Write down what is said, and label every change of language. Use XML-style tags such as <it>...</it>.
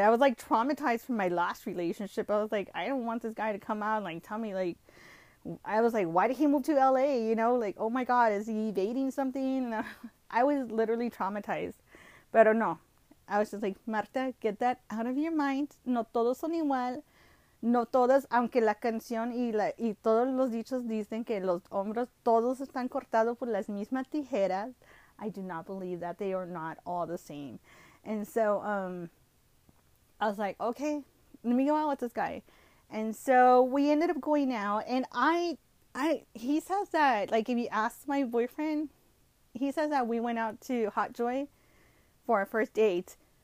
<en>I was like traumatized from my last relationship. I was like, I don't want this guy to come out and like tell me, like, I was like, why did he move to LA? Like, oh my God, is he evading something? And I was literally traumatized. But I don't know. I was just like, Marta, get that out of your mind.</en> <es>No todos son igual. No todas, aunque la canción y y todos los dichos dicen que los hombros todos están cortados por las mismas tijeras.</es> <en>I do not believe that they are not all the same. And so I was like, okay, let me go out with this guy. And so we ended up going out, and he says that, like, if you ask my boyfriend, he says that we went out to Hot Joy for our first date.</en>